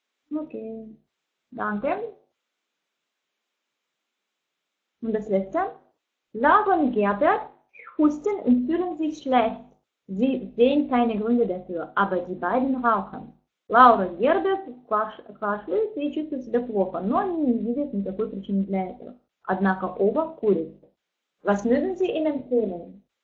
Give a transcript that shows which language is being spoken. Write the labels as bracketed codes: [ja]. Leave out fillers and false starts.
[de] Okay, danke. Und das Letzte. Laura und Gerbert husten und fühlen sich schlecht. Sie sehen keine Gründe dafür, aber die beiden rauchen. Laura und Gerbert quasseln, sie fühlen sich [ru] плохо, но они не видят никакой причины для этого. Однако оба курят. [de] Was mögen Sie ihnen empfehlen?